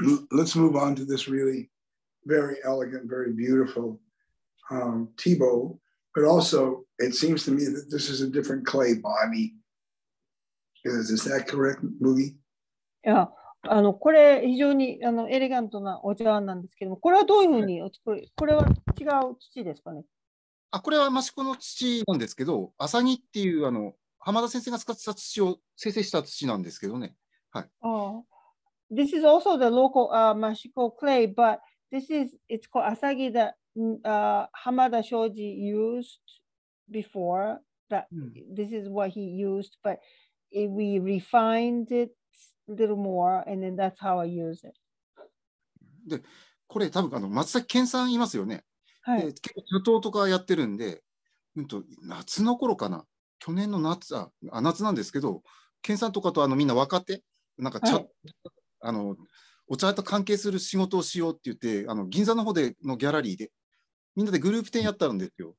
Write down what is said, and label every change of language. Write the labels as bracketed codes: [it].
[en] Let's move on to this really very elegant, very beautiful tea bowl. But also, it seems to me that this is a different clay body. Is that correct, Mugi? [ja] Yeah, これ非常にエレガントなお茶碗なんですけども、これはどういうふうにお作り、これは違う土ですかね？あ、これはマシコの土なんですけど、アサギっていう浜田先生が使ってた土を生成した土なんですけどね。はい。 [en] This is also the local Mashiko clay, but this is, it's called Asagi that Hamada Shoji used before. This is what he used, but we refined it a little more, and then that's how I use it. [ja] で、これ多分松崎健さんいますよね。はい。で、結構茶陶とかやってるんで、夏の頃かな、去年の夏、夏なんですけど、健さんとかとみんな若手、なんか茶、はいお茶と関係する仕事をしようって言って銀座の方でのギャラリーでみんなでグループ展やったんですよ。